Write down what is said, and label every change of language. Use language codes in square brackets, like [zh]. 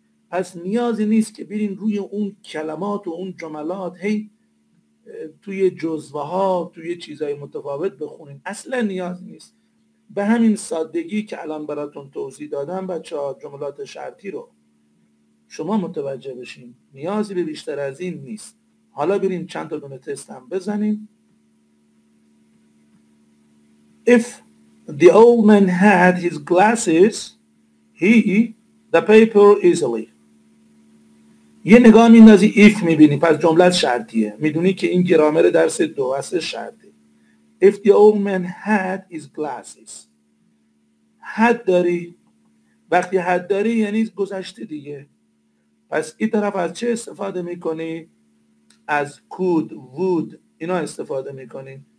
[fa] پس نیازی نیست که برین روی اون کلمات و اون جملات هی توی جزوه ها توی چیزهای متفاوت بخونین، اصلا نیازی نیست. به همین سادگی که الان براتون توضیح دادم بچه ها جملات شرطی رو شما متوجه بشین، نیازی به بیشتر از این نیست. حالا بریم چند تا دونه تست هم بزنیم. [en] If the old man had his glasses he the paper easily. [fa] یه نگاه میندازی if میبینی، پس جملت شرطیه. میدونی که این گرامر درس دو هست، شرطی. [en] If the old man had his glasses. [fa] had داری، وقتی had داری یعنی گذشته دیگه. پس این طرف از چه استفاده میکنی؟ از could, would، اینا استفاده میکنی.